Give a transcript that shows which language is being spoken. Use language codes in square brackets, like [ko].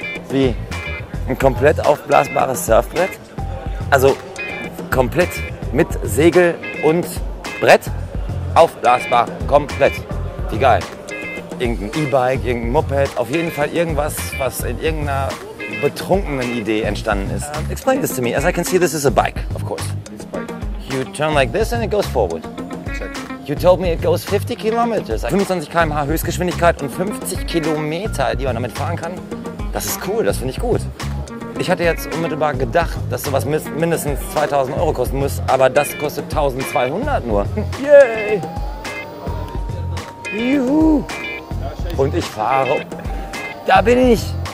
[de] Wie ein komplett aufblasbares Surfbrett, also komplett mit Segel und Brett, aufblasbar, komplett, wie geil. Irgendein E-Bike, irgendein Moped, auf jeden Fall irgendwas, was in irgendeiner betrunkenen Idee entstanden ist. [en] Explain this to me, as I can see this is a bike, of course. It's a bike. You turn like this and it goes forward. You told me it goes 50 kilometers. [de] 25 km/h Höchstgeschwindigkeit und 50 Kilometer, die man damit fahren kann. Das ist cool, das finde ich gut. Ich hatte jetzt unmittelbar gedacht, dass sowas mindestens 2000 Euro kosten muss, aber das kostet 1200 nur. Yay! Juhu! Und ich fahre. Da bin ich!